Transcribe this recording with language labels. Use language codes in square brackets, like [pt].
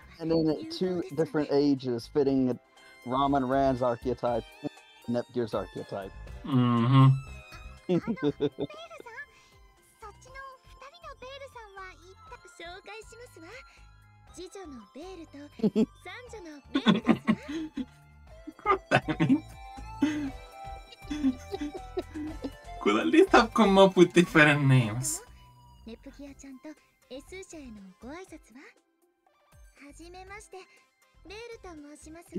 [en] And then two different ages fitting Ram and Ran's archetype, Nepgear's archetype. Mm-hmm. [ja] あの、ベールさん、そっちの二人のベールさんは一択紹介しますわ。次女のベールと三女のベールですわ。 [en] What the heck? Could at least have come up with different names. [ja] ネプギアちゃんとエスーシャへのご挨拶は？はじめまして、ベールと申します